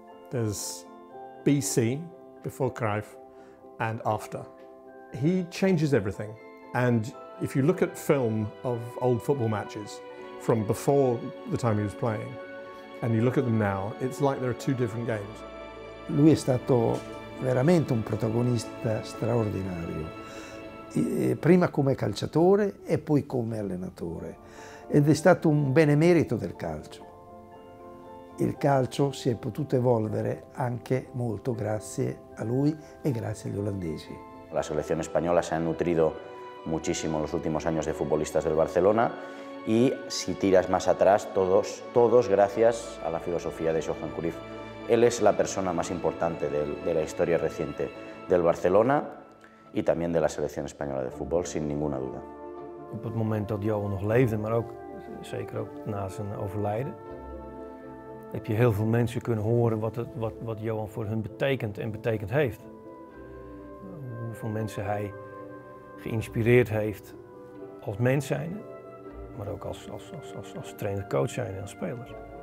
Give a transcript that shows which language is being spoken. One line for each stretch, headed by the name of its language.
English: There's BC, before Cruyff, and after. He changes everything. And if you look at film of old football matches from before the time he was playing, and you look at them now, it's like there are two different games.
Italian: Lui è stato veramente un protagonista straordinario, prima come calciatore e poi come allenatore. Ed è stato un benemerito del calcio. Il calcio si è potuto evolvere anche molto grazie a lui e grazie agli olandesi. La selezione spagnola si è nutrito moltissimo negli ultimi anni di futbolisti del Barcellona e
Spanish: se tiras más atrás, todos
Italian: grazie alla filosofia di Johan Cruyff.
Spanish: Él es la persona más importante de la historia reciente del Barcelona y también de la selección española de fútbol, sin ninguna duda.
Dutch: Op het moment dat Johan nog leefde, maar ook zeker ook na zijn overlijden, heb je heel veel mensen kunnen horen wat Johan voor hun betekent en betekend heeft. Hoeveel mensen hij geïnspireerd heeft als mens zijn, maar ook als trainer, coach zijn en als speler.